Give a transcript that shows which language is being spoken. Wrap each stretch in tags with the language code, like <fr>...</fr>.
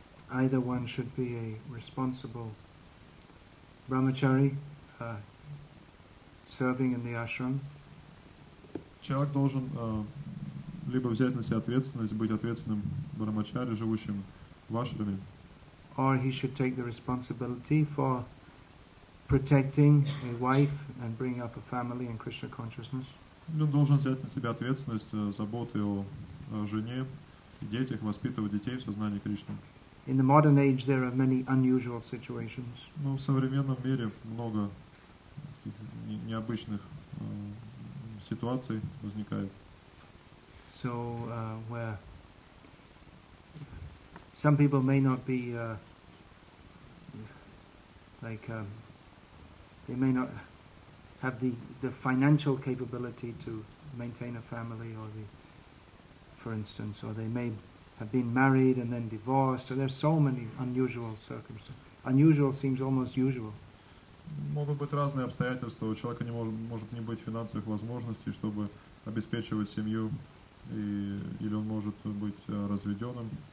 <en>Either one should be a responsible brahmachari, serving in the ashram.</en> <ru>Человек должен либо взять на себя ответственность, быть ответственным брахмачари, живущим в ашраме.</ru> <en>Or he should take the responsibility for protecting a wife and bringing up a family in Krishna consciousness.</en> <ru>Он должен взять на себя ответственность, заботы о жене, детях, воспитывать детей в сознании Кришны.</ru> <en>In the modern age there are many unusual situations.</en> <ru>Но в современном мире много необычных ситуаций возникает.</ru> <en>So where some people may not be they may not have the financial capability to maintain a family or the for instance, or they may have been married and then divorced, or there's so many unusual circumstances. Unusual seems almost usual.</en> <ru>Могут быть разные обстоятельства. У человека может не быть финансовых возможностей, чтобы обеспечивать семью, или он может быть разведенным.</ru>